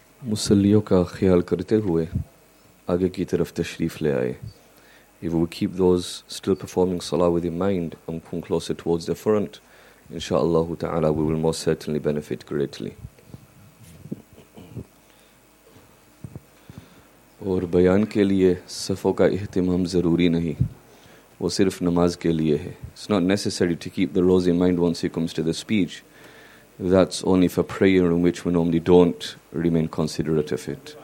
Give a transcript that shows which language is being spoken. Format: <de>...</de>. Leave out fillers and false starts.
<ur>مسلیوں کا خیال کرتے ہوئے آگے کی طرف تشریف لے آئے.</ur> <en>If we keep those still performing salah with in mind and come closer towards the front, inshallah ta'ala, we will most certainly benefit greatly.</en> <ur>اور بیان کے لیے صفوں کا اہتمام ضروری نہیں, وہ صرف نماز کے لیے ہے.</ur> <en>It's not necessary to keep the rows in mind once it comes to the speech. That's only for prayer, in which we normally don't remain considerate of it.</en>